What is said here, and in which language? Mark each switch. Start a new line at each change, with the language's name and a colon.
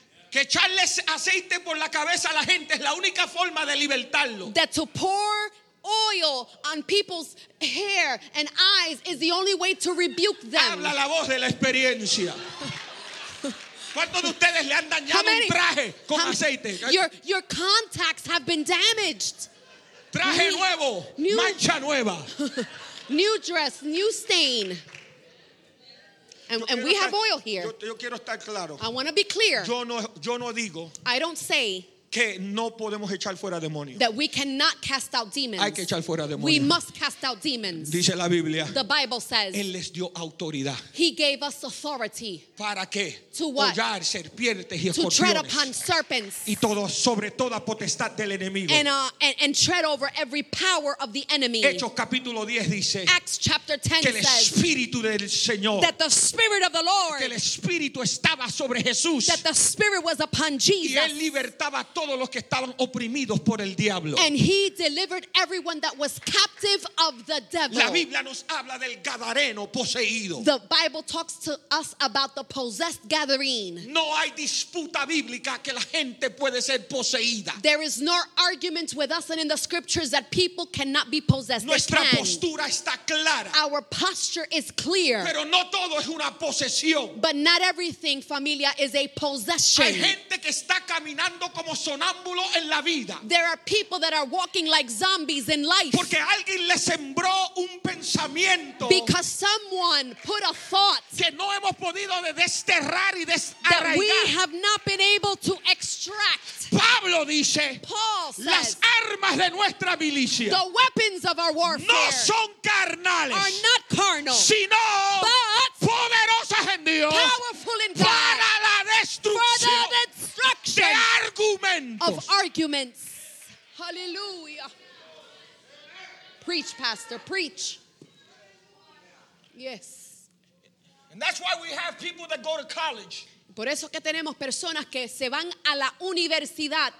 Spanish: Que echarles aceite por la cabeza a la gente es la única forma de libertarlo.
English: That to pour oil on people's hair and eyes is the only way to rebuke them.
Spanish: Habla la voz de la experiencia. ¿Cuántos de ustedes le han dañado un traje con aceite?
English: Your contacts have been damaged.
Spanish: Traje nuevo, mancha nueva.
English: New dress, new stain. And we have oil here.
Spanish: Yo quiero estar claro.
English: I want to be clear.
Spanish: Yo no digo.
English: I don't say
Spanish: que no podemos echar fuera demonios.
English: That we cannot cast out demons.
Spanish: Hay que echar fuera demonios.
English: We must cast out demons.
Spanish: Dice la Biblia.
English: The Bible says.
Spanish: Él les dio autoridad.
English: He gave us authority.
Spanish: ¿Para qué?
English: To what?
Spanish: Hollar serpientes y escorpiones.
English: To tread upon serpents.
Spanish: Y todo, sobre toda potestad del enemigo.
English: And tread over every power of the enemy.
Spanish: Hechos capítulo 10 dice.
English: Acts chapter 10 says.
Spanish: Que el Espíritu del Señor.
English: That the Spirit of the Lord.
Spanish: Que el Espíritu estaba sobre Jesús.
English: That the Spirit was upon Jesus.
Spanish: Y él libertaba todos los que estaban oprimidos por el diablo.
English: And he delivered everyone that was captive of the devil.
Spanish: La Biblia nos habla del gadareno poseído.
English: The Bible talks to us about the possessed gathering.
Spanish: No hay disputa bíblica que la gente puede ser poseída.
English: There is no argument with us and in the scriptures that people cannot be possessed.
Spanish: Nuestra postura está clara.
English: Our posture is clear.
Spanish: Pero no todo es una posesión.
English: But not everything, familia, is a possession.
Spanish: Hay gente que está caminando como sonámbulo en la vida.
English: There are people that are walking like zombies in life.
Spanish: Porque alguien le sembró un pensamiento.
English: Because someone put a thought.
Spanish: Que no hemos podido desterrar y desarraigar.
English: That we have not been able to extract.
Spanish: Pablo dice.
English: Paul says.
Spanish: Las armas de nuestra milicia.
English: The weapons of our warfare.
Spanish: No son carnales.
English: Are not carnal.
Spanish: Sino.
English: But.
Spanish: Poderosas en Dios.
English: Powerful in God.
Spanish: Para la destrucción.
English: For the destruction.
Spanish: De argumentos. Of arguments.
English: Hallelujah. Preach, pastor, preach. Yes. And that's why we have people that go to college.
Spanish: Por eso que tenemos personas que se van a la universidad.